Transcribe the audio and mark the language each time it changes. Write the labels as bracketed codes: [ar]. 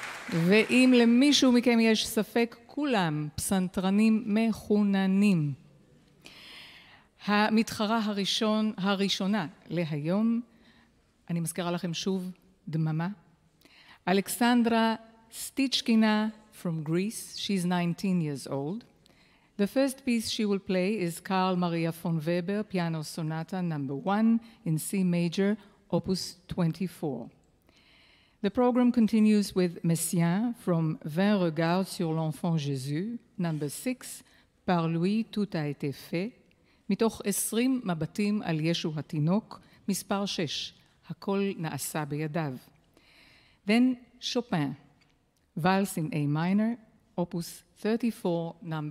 [he] ואם למישהו מכם יש ספק, כולם פסנתרנים מחוננים. המתחרה הראשונה להיום, אני מזכירה לכם שוב, דממה, אלכסנדרה סטיצ'קינה, [en] from Greece. She's 19 years old. The first piece she will play is Carl Maria von Weber, Piano Sonata No. 1 in C Major, Opus 24. The program continues with Messiaen from Vingt Regards sur l'Enfant Jésus, No. [he] 6, Par lui tout a été fait, מתוך 20 מבטים על ישו התינוק, מספר 6, הכל נעשה בידיו. [en] Then Chopin, Vals in A Minor, Opus 34, No.